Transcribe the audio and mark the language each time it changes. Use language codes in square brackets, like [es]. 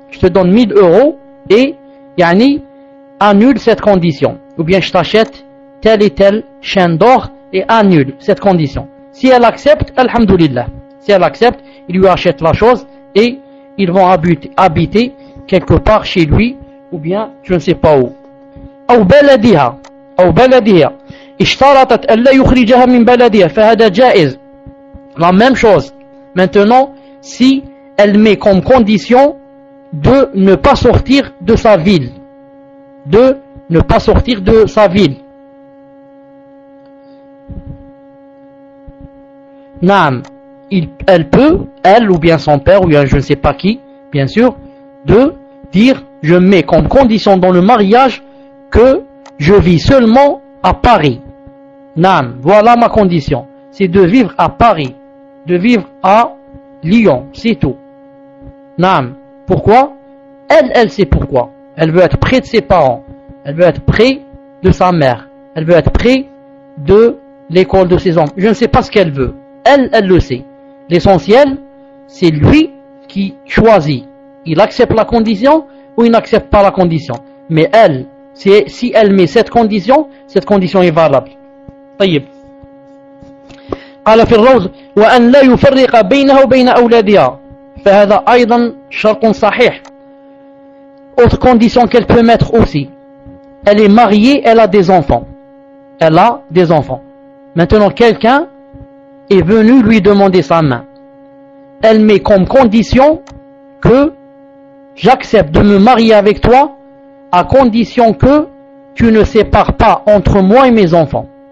[fr] Je te donne 1000 euros et, yani, annule cette condition. Ou bien, je t'achète telle et telle chaîne d'or et annule cette condition. Si elle accepte, alhamdoulilah. Si elle accepte, il lui achète la chose et ils vont habiter quelque part chez lui ou bien tu ne sais pas où. [ar] أو بلدها أو بلدها اشترطت ألا يخرجها من بلدها فهذا جائز. [fr] La même chose. Maintenant, si elle met comme condition de ne pas sortir de sa ville, de ne pas sortir de sa ville. Naam, elle peut, elle ou bien son père ou bien je ne sais pas qui, bien sûr, de dire je mets comme condition dans le mariage que je vis seulement à Paris. Naam, voilà ma condition, c'est de vivre à Paris, de vivre à Lyon, c'est tout. Naam, pourquoi ? Elle sait pourquoi. Elle veut être près de ses parents, elle veut être près de sa mère, elle veut être près de l'école de ses enfants. Je ne sais pas ce qu'elle veut. Elle le sait. L'essentiel, c'est lui qui choisit. Il accepte la condition ou il n'accepte pas la condition. Mais elle, c'est, si elle met cette condition est valable. [ar] طيب. قال في الروض وأن لا يفرق بينه وبين أولادها. فهذا أيضا شرط صحيح. [fr] Autre condition qu'elle peut mettre aussi. Elle est mariée, elle a des enfants. Elle a des enfants. Maintenant, quelqu'un est venu lui demander sa main. Elle met comme condition que j'accepte de me marier avec toi à condition que tu ne sépares pas entre moi et mes enfants.